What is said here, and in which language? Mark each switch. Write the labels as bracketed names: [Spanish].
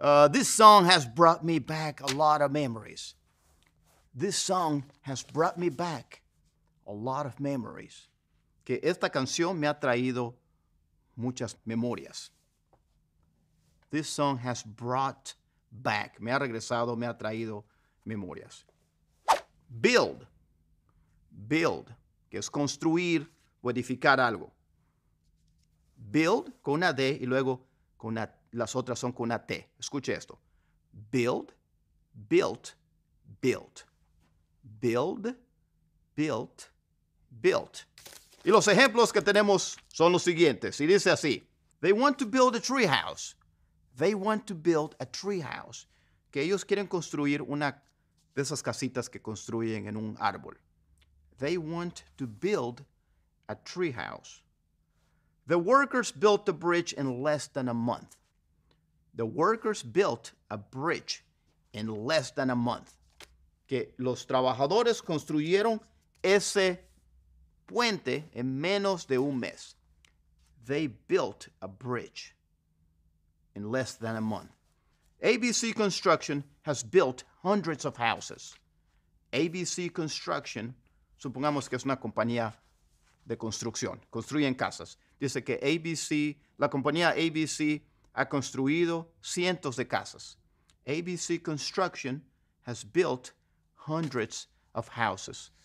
[English] This song has brought me back a lot of memories. This song has brought me back a lot of memories. [Spanish] Que esta canción me ha traído muchas memorias. [English] This song has brought back. [Spanish] Me ha regresado, me ha traído memorias. [English] Build. Build. [Spanish] Que es construir o edificar algo. Build con una D y luego con una, las otras son con una T. Escuche esto. [English] Build. Built. Built. Build. Built. Built. [Spanish] Y los ejemplos que tenemos son los siguientes. Y dice así. [English] They want to build a treehouse. They want to build a treehouse. [Spanish] Que ellos quieren construir una de esas casitas que construyen en un árbol. [English] They want to build a treehouse. The workers built a bridge in less than a month. The workers built a bridge in less than a month. [Spanish] Que los trabajadores construyeron ese puente en menos de un mes. [English] They built a bridge in less than a month. ABC Construction has built hundreds of houses. [Spanish] ABC Construction, supongamos que es una compañía de construcción, construyen casas. Dice que ABC, la compañía ABC ha construido cientos de casas. [English] ABC Construction has built hundreds of houses.